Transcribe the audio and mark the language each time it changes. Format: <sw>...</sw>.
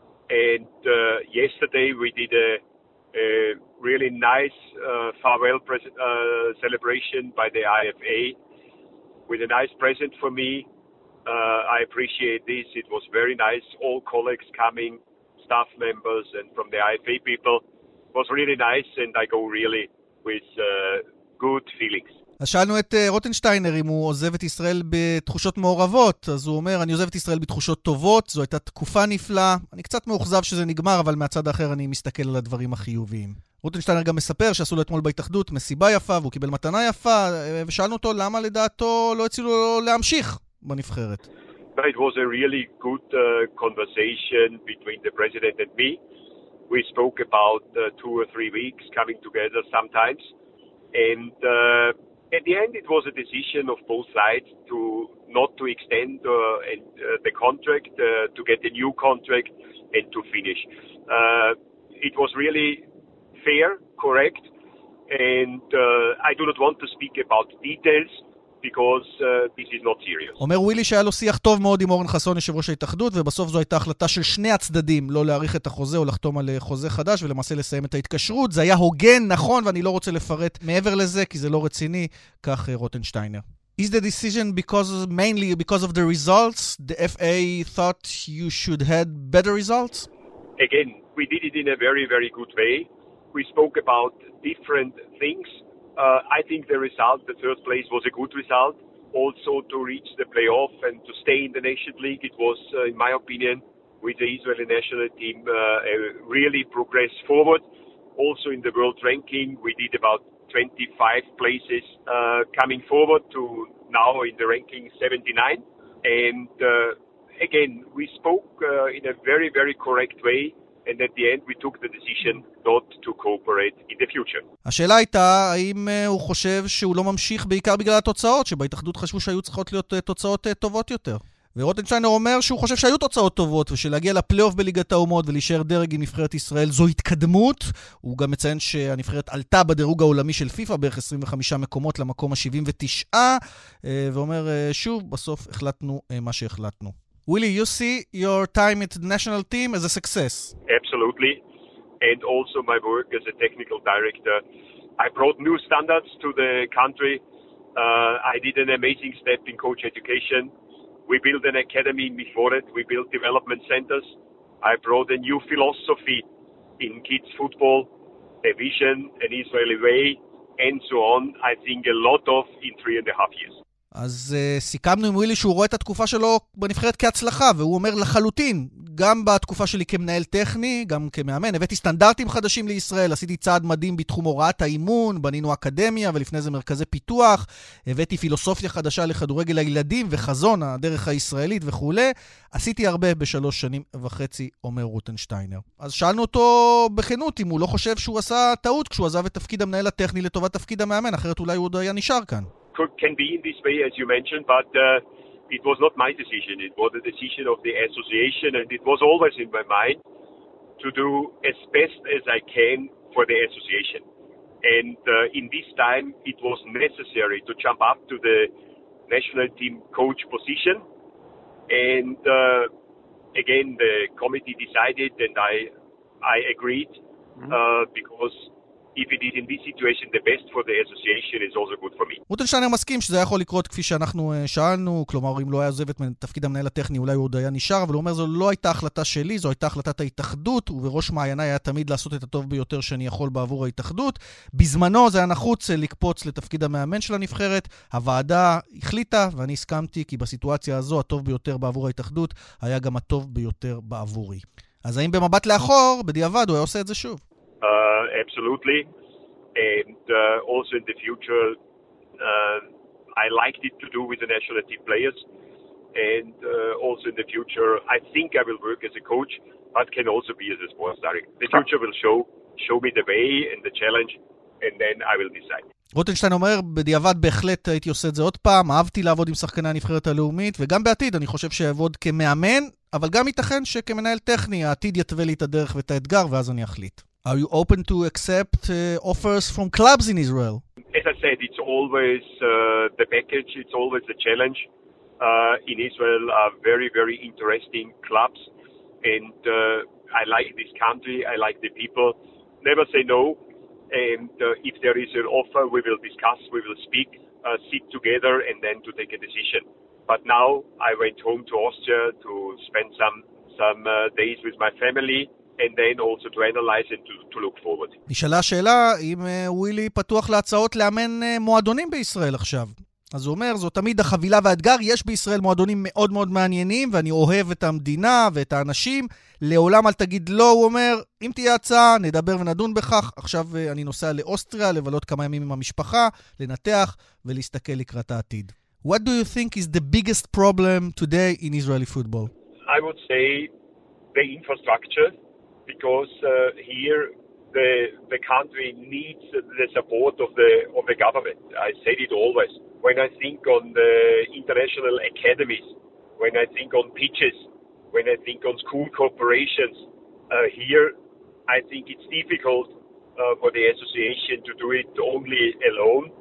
<en>And yesterday we did a really nice farewell celebration by the IFA with a nice present for me. I appreciate this. It was very nice. All colleagues coming, staff members and from the IFA people. It was really nice and I go really with good feelings.</en> <he>שאלנו את רוטנשטיינר אם הוא עוזב את ישראל בתחושות מעורבות, אז הוא אומר, אני עוזב את ישראל בתחושות טובות, זו הייתה תקופה נפלאה, אני קצת מאוחזב שזה נגמר, אבל מהצד האחר אני מסתכל על הדברים החיוביים. רוטנשטיינר גם מספר שעשו לו אתמול בהתאחדות מסיבה יפה, והוא קיבל מתנה יפה, ושאלנו אותו למה לדעתו לא הצילו לו להמשיך בנבחרת.</he> <en>It was a really good conversation between the president and me. We spoke about two or three weeks coming together sometimes, and at the end, it was a decision of both sides to not to extend the contract, to get a new contract, and to finish. It was really fair, correct, and I do not want to speak about details because this is not serious.</en> <he>אומר ווילי שהיה לו שיח טוב מאוד עם אורן חסון, יושב ראש ההתאחדות, ובסוף זו הייתה החלטה של שני הצדדים, לא להאריך את החוזה או לחתום על חוזה חדש, ולמעשה לסיים את ההתקשרות. זה היה הוגן, נכון, ואני לא רוצה לפרט מעבר לזה, כי זה לא רציני, כך רוטנשטיינר.</he> <en>Is the decision mainly because of the results? The FA thought you should had better results? Again, we did it in a very, very good way. We spoke about different things. I think the result, the third place, was a good result. Also, to reach the playoff and to stay in the Nations League, it was, in my opinion, with the Israeli national team, a really progress forward. Also, in the world ranking, we did about 25 places coming forward to now in the ranking 79. And again, we spoke in a very, very correct way. And at the end, we took the decision not to cooperate in the future.</en> <he>השאלה הייתה, האם הוא חושב שהוא לא ממשיך בעיקר בגלל התוצאות, שבהתאחדות חשבו שהיו צריכות להיות תוצאות טובות יותר. ורוטנשטיינר אומר שהוא חושב שהיו תוצאות טובות, ושלהגיע לפלי-אוף בליגת האומות ולהישאר דרג עם נבחרת ישראל זו התקדמות. הוא גם מציין שהנבחרת עלתה בדירוג העולמי של פיפה, בערך 25 מקומות למקום ה-79, ואומר, שוב, בסוף החלטנו מה שהחלטנו.</he> <en>Willie, you see your time at the national team as a success. Absolutely. And also my work as a technical director. I brought new standards to the country. I did an amazing step in coach education. We built an academy in Bnei Brak. We built development centers. I brought a new philosophy in kids football, a vision, an Israeli way, and so on. I think a lot of in 3.5 years.</en> <he>אז סיכמנו עם ווילי שהוא רואה את התקופה שלו בנבחרת כהצלחה, והוא אומר לחלוטין, גם בתקופה שלי כמנהל טכני, גם כמאמן, הבאתי סטנדרטים חדשים לישראל, עשיתי צעד מדהים בתחום הוראת האימון, בנינו אקדמיה ולפני זה מרכזי פיתוח, הבאתי פילוסופיה חדשה לכדורגל הילדים וחזון הדרך הישראלית וכו', עשיתי הרבה ב3.5 שנים, אומר רוטנשטיינר. אז שאלנו אותו בכנות אם הוא לא חושב שהוא עשה טעות כשהוא עזב את תפקיד המנהל הטכני לטובת תפקיד המאמן, אחרת אולי הוא עוד היה נשאר כאן.</he> <en>Can be in this way, as you mentioned, but it was not my decision. It was the decision of the association, and it was always in my mind to do as best as I can for the association. And in this time, it was necessary to jump up to the national team coach position. And again, the committee decided, and I agreed, because if it is in this situation the best for the association is also good for me.</en> <he>רוטנשטיינר מסכים שזה יכול לקרות כפי שאנחנו שאלנו, כלומר אם לא היה עוזב את תפקיד המנהל הטכני אולי הוא עוד היה נשאר, אבל הוא אומר זו לא הייתה החלטה שלי, זו הייתה החלטת ההתאחדות, ובראש מעייני היה תמיד לעשות את הטוב ביותר שאני יכול בעבור ההתאחדות. בזמנו זה היה נחוץ לקפוץ לתפקיד המאמן של הנבחרת, הוועדה החליטה ואני הסכמתי, כי בסיטואציה הזו הטוב ביותר בעבור ההתאחדות היה גם הטוב ביותר בעבורי. אז האם במבט לאחור בדיעבד הוא היה עושה את זה שוב?</he> <en>Absolutely, and also in the future, I liked it to do with the national team players. and also in the future I think I will work as a coach but can also be as a sports director. The future will show me the way and the challenge and then I will decide.</en> <he>רוטנשטיין אומר, בדיעבד בהחלט הייתי עושה את זה עוד פעם, אהבתי לעבוד עם שחקני הנבחרת הלאומית, וגם בעתיד אני חושב שיעבוד כמאמן, אבל גם ייתכן שכמנהל טכני, העתיד יתווה לי את הדרך ואת האתגר, ואז אני אחליט.</he> <en>Are you open to accept offers from clubs in Israel? As I said, it's always the package, it's always the challenge. In Israel are very, very interesting clubs, and I like this country, I like the people. Never say no. And if there is an offer, we will discuss, we will speak, sit together, and then to take a decision. But now I went home to Austria to spend some days with my family, and then also to analyze and to look forward.</en> <he>נשאלה השאלה אם ווילי פתוח להצעות לאמן מועדונים בישראל עכשיו. אז הוא אומר, זו תמיד החבילה והאתגר, יש בישראל מועדונים מאוד מאוד מעניינים, ואני אוהב את המדינה ואת האנשים, לעולם אל תגיד לא, הוא אומר, אם תהיה הצעה, נדבר ונדון בכך, עכשיו אני נוסע לאוסטריה, לבלות כמה ימים עם המשפחה, לנתח ולהסתכל לקראת העתיד.</he> <en>What do you think is the biggest problem today in Israeli football? I would say the infrastructure, because here the country needs the support of the government. I said it always. When I think on the international academies, when I think on pitches, when I think on school corporations, here I think it's difficult for the association to do it only alone.</en>